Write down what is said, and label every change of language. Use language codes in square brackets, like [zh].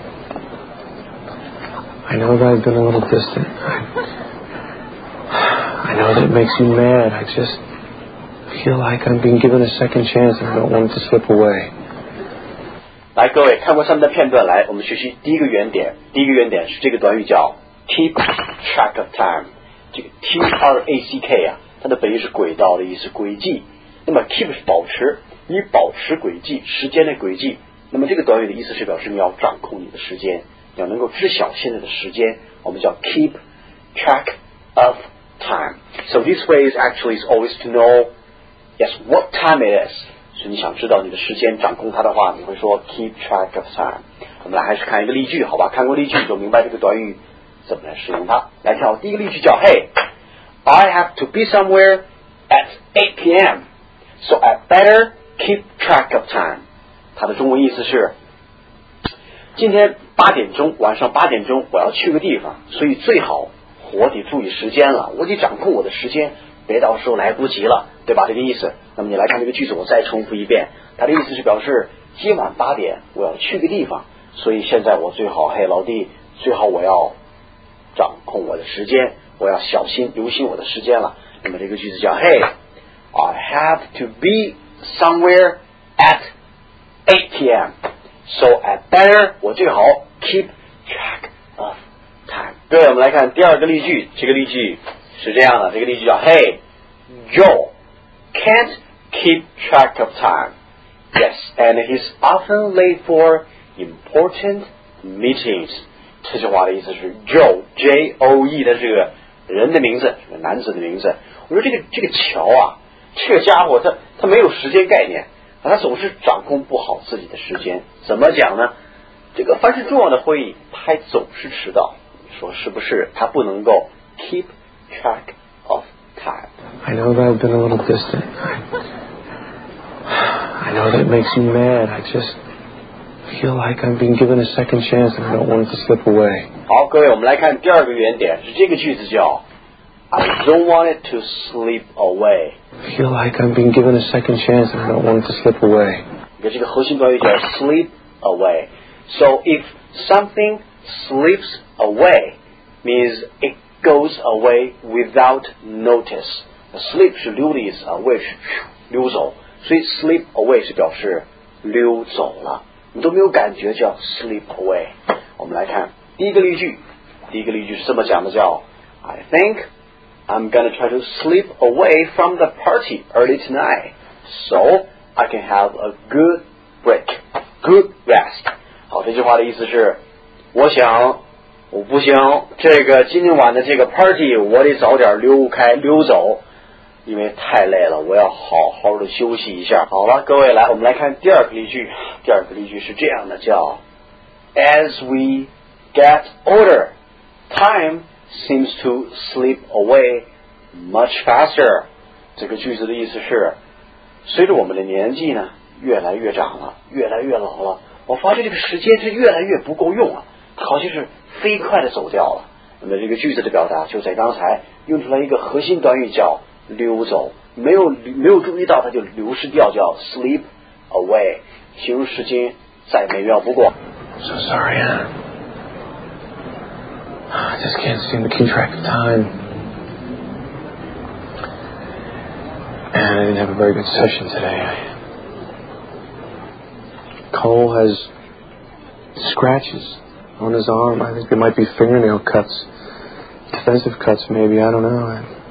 [en] Anna, I know that I've been a little distant. I know that it makes you mad. I just feel like I'm being given a second chance and I don't want it to slip away. [zh] 来，各位看过上面的片段，来，我们学习第一个原点。第一个原点是这个短语叫 keep track of time， 这个 T-R-A-C-K 啊，它的本意是轨道的意思，轨迹。那么 keep 是保持，你保持轨迹，时间的轨迹。那么这个短语的意思是表示你要掌控你的时间，你要能够知晓现在的时间，我们叫 keep track of time。 [en] So this way is actually is always to know yes what time it is。 [zh] 所以你想知道你的时间掌控它的话，你会说 keep track of time。我们来还是看一个例句，好吧，看过例句你就明白这个短语怎么来使用它。来跳第一个例句叫 [en] Hey I have to be somewhere at 8 p.m. So I better keep track of time。 [zh] 它的中文意思是今天八点钟，晚上八点钟我要去个地方，所以最好我得注意时间了，我得掌控我的时间，别到时候来不及了，对吧，这个意思。那么你来看这个句子，我再重复一遍，它的意思是表示今晚八点我要去个地方，所以现在我最好，嘿老弟，最好我要掌控我的时间，我要小心留心我的时间了。那么这个句子叫 [en] Hey I have to be somewhere at 8 p.m. So I better [zh] 我最好 [en] keep track of time。 [zh] 对，我们来看第二个例句，这个例句是这样的，这个例句叫 [en] Hey Joe can't keep track of time. Yes, and he's often late for important meetings. [zh] 这句话的意思是 Joe, J-O-E 的这个人的名字，这个男子的名字。我说这个乔啊，这个家伙他没有时间概念，他总是掌控不好自己的时间。怎么讲呢？这个凡是重要的会议他总是迟到，说是不是他不能够 keep track time. [en] I know that I've been a little distant. I know that it makes you mad. I just feel like I'm being given a second chance and I don't want it to slip away. [zh] 好，各位，我们来看第二个原点，是这个句子叫 [en] I don't want it to slip away. Feel like I'm being given a second chance and I don't want it to slip away. [zh] 这个核心短语叫 slip away. [en] So if something slips away means itGoes away without notice. [zh] Slip 是溜的意思，away 是溜走，所以 slip away 是表示溜走了，你都没有感觉，叫 slip away。我们来看第一个例句，第一个例句是这么讲的，叫 [en] I think I'm gonna try to slip away from the party early tonight so I can have a good break, good rest. [zh] 好，这句话的意思是我想我不行，这个今天晚的这个 party 我得早点溜开溜走，因为太累了，我要好好的休息一下。好了，各位，来，我们来看第二个例句。第二个例句是这样的，叫 [en] As we get older time seems to slip away much faster。 [zh] 这个句子的意思是随着我们的年纪呢越来越长了，越来越老了，我发现这个时间是越来越不够用了，好像是飞快的走掉了。那么这个句子的表达就在刚才用出来一个核心短语叫溜走，没有注意到它就流失掉，叫 slip away， 形容时间再美妙不过。 [en] So sorry I just can't seem to keep track of time and I didn't have a very good session today. Cole has scratchesOn his arm, I think there might be fingernail cuts, defensive cuts, maybe, I don't know.